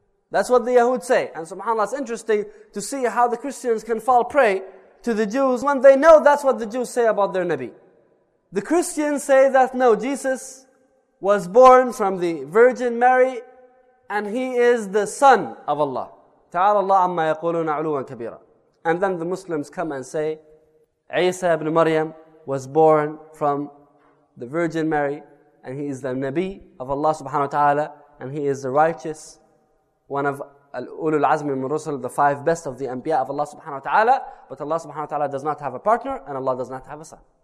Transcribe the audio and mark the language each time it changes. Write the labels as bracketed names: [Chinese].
[English] That's what the Yahud say. And subhanAllah, it's interesting to see how the Christians can fall prey to the Jews when they know that's what the Jews say about their Nabi. The Christians say that no, Jesus was born from the Virgin Mary and he is the son of Allah. [Arabic] تعالى الله عما يقولون علوا كبيرا. [English] And then the Muslims come and say, Isa ibn Maryam was born from the Virgin Mary and he is the Nabi of Allah subhanahu wa ta'ala and he is the righteous, one of [Arabic] Ulul Azmi min Rusul, [English] the five best of the Anbiya of Allah subhanahu wa ta'ala, but Allah subhanahu wa ta'ala does not have a partner and Allah does not have a son.